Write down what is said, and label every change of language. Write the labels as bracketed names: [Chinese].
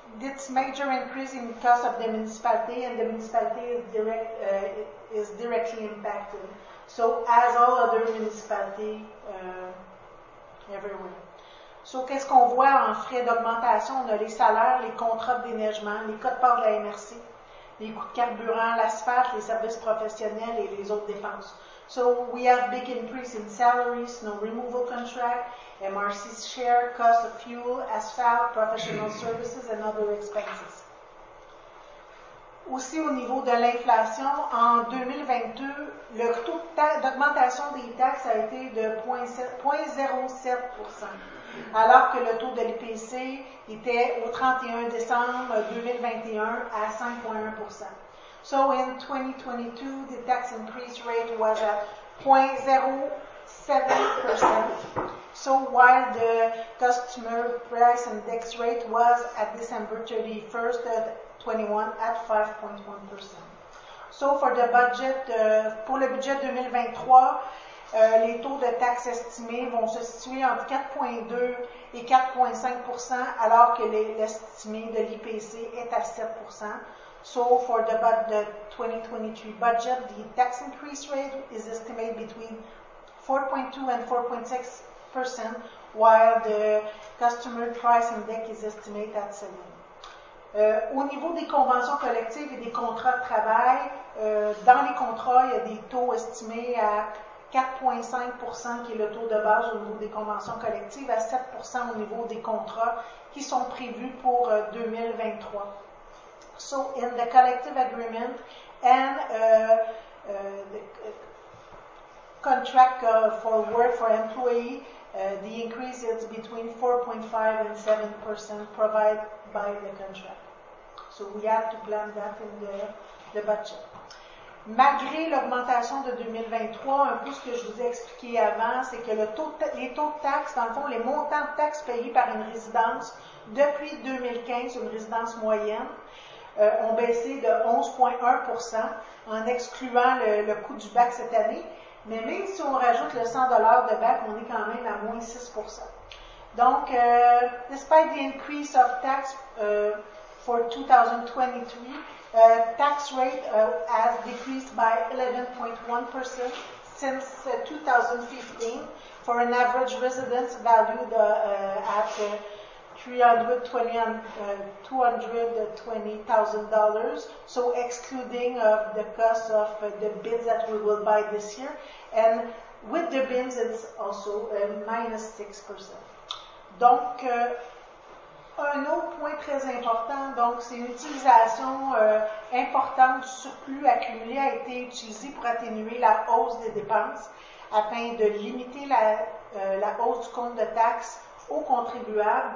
[English] This major increase in cost of the municipality, and the municipality is directly impacted. So as all other municipalities everywhere. [French] So qu'est-ce qu'on voit en frais d'augmentation? On a les salaires, les contrats d'énergement, les coûts de part de la MRC, les coûts de carburant, l'asphalte, les services professionnels et les autres dépenses. [English] So we have big increase in salaries, snow removal contract, MRC's share, cost of fuel, asphalt, professional services and other expenses. [French] Aussi au niveau de l'inflation, en 2022, le taux d'augmentation des taxes a été de 0,07%, alors que le taux de l'IPC était au 31 décembre 2021 à 5,1%. [English] So in 2022, the tax increase rate was at 0.07%. So while the customer price index rate was at December 31st, 2021 at 5.1%. So for the budget, [French] pour le budget 2023, les taux de taxes estimés vont se situer entre 4.2 et 4.5%, alors que l'estimé de l'IPC est à 7%. [English] So for the 2023 budget, the tax increase rate is estimated between 4.2 and 4.6%, while the customer price index is estimated at 7%. [French] Au niveau des conventions collectives et des contrats de travail, dans les contrats, il y a des taux estimés à 4.5%, qui est le taux de base au niveau des conventions collectives, à 7% au niveau des contrats qui sont prévus pour 2023. [English] So in the collective agreement and the contract for work for employee, the increase is between 4.5 and 7% provided by the contract. So we have to plan that in the budget. [French] Malgré l'augmentation de 2023, un peu ce que je vous ai expliqué avant, c'est que les taux de taxes, dans le fond, les montants de taxes payés par une résidence depuis 2015, une résidence moyenne, ont baissé de 11,1% en excluant le coût du bac cette année. Mais même si on rajoute le 100$ de bac, on est quand même à moins 6%. [English] Donc, despite the increase of tax for 2023, tax rate has decreased by 11.1% since 2015 for an average residence valued at $220,000, so excluding of the cost of the bins that we will buy this year. And with the bins, it's also minus 6%. [French] Donc, un autre point très important, donc c'est l'utilisation importante du surplus accumulé a été utilisé pour atténuer la hausse des dépenses afin de limiter la hausse du compte de taxes aux contribuables.